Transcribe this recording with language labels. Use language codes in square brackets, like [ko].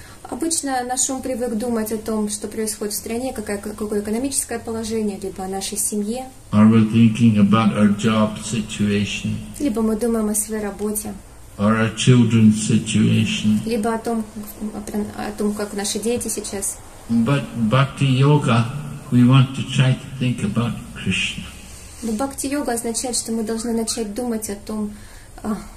[ru] Обычно наш ум привык думать о том, что происходит в стране, какое экономическое положение, либо о нашей семье. [en] Or we're thinking about our job situation. [ru] Либо мы думаем о своей работе. [en] Or our children's situation. [ru] Либо о том, как наши дети сейчас. [en] But bhakti-yoga, we want to try to think about Krishna. [ru] Но бхакти-йога означает, что мы должны начать думать о том, как...